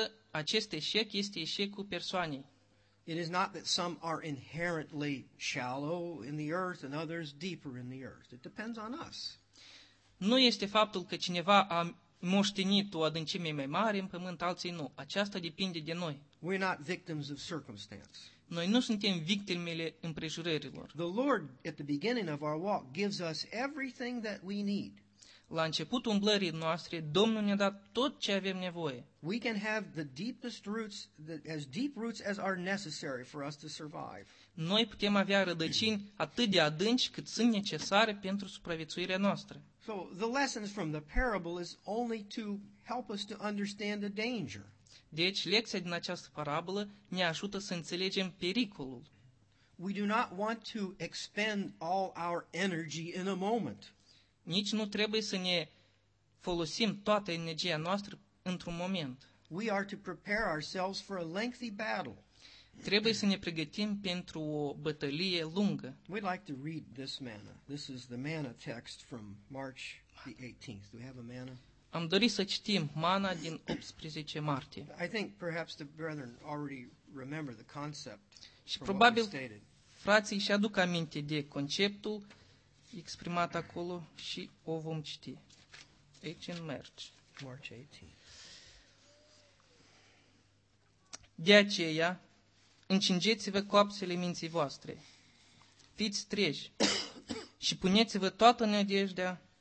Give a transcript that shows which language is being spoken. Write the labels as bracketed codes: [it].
[ro] Acest eșec este eșecul persoanei. [en] It is not that some are inherently shallow in the earth and others deeper in the earth. It depends on us. [ro] Nu este faptul că cineva a moștenit o adâncime mai mare în pământ, alții nu. Aceasta depinde de noi. [en] We're not victims of circumstance. [ro] Noi nu suntem victimele împrejurărilor. [en] The Lord at the beginning of our walk gives us everything that we need. [ro] La începutul umblării noastre, Domnul ne-a dat tot ce avem nevoie. [en] We can have the deepest roots, as deep roots as are necessary for us to survive. [ro] Noi putem avea rădăcini atât de adânci cât sunt necesare pentru supraviețuirea noastră. [en] So the lessons from the parable is only to help us to understand the danger. [ro] Deci, lecția din această parabolă ne ajută să înțelegem pericolul. [en] We do not want to expend all our energy in a moment. [ro] Nici nu trebuie să ne folosim toată energia noastră într-un moment. [en] We are to prepare ourselves for a lengthy battle. [ro] Trebuie să ne pregătim pentru o bătălie lungă. [en] We'd like to read this manna. This is the manna text from March the 18th. Do we have a manna? [ro] Am dorit să citim mana din 18 martie. [en] I think perhaps the brethren already remember the concept. [ro] Și probabil frații își aduc aminte de conceptul exprimat acolo și o vom citi. Aici în [en] March. March 18. [ro] De aceea, încingeți-vă coapsele minții voastre. Fiți treji și puneți-vă toată nădejdea